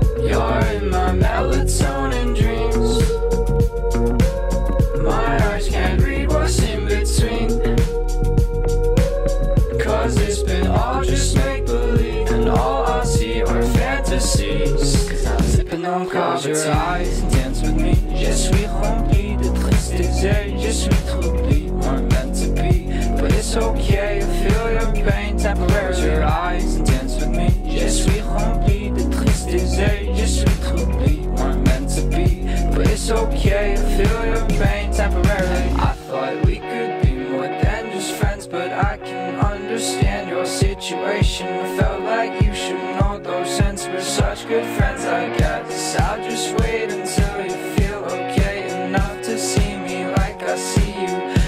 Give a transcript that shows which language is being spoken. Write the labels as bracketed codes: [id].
[en] You're in my melatonin dreams. My eyes can't read what's in between. Cause it's been all just make-believe, and all I see are fantasies. Cause I'm sipping on cause your eyes and dance with me. [fr] Je suis rempli de tristesse, je suis troublé. [en] Weren't meant to be, but it's okay. I feel your pain temporarily. Close your eyes and dance with me. [fr] Je suis rempli de tristesse, je suis troublé. [en] Weren't meant to be, but it's okay. I feel your pain temporarily. I thought we could be more than just friends, but I can understand your situation. I felt like you should know, though, since we're such good friends, I guess I'll just wait until you feel okay enough to see me like I see you.